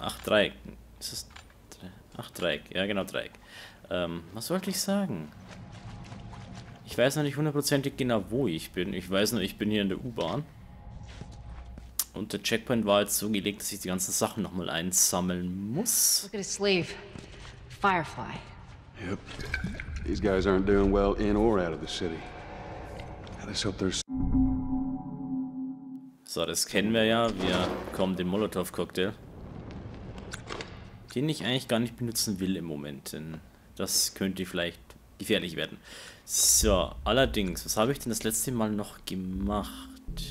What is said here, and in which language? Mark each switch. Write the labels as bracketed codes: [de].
[de] Ach, Dreieck. Ist das... Ach, Dreieck. Ja, genau, Dreieck. Was wollte ich sagen? Ich weiß noch nicht hundertprozentig genau, wo ich bin. Ich weiß nur, ich bin hier in der U-Bahn. Und der Checkpoint war jetzt so gelegt, dass ich die ganzen Sachen nochmal einsammeln muss. [en] Look at his sleeve. Firefly. Yep. These guys aren't doing well in or out of the city. Let's hope there's... [de] So, das kennen wir ja. Wir bekommen den Molotow-Cocktail. Den ich eigentlich gar nicht benutzen will im Moment, denn das könnte vielleicht gefährlich werden. So, allerdings, was habe ich denn das letzte Mal noch gemacht?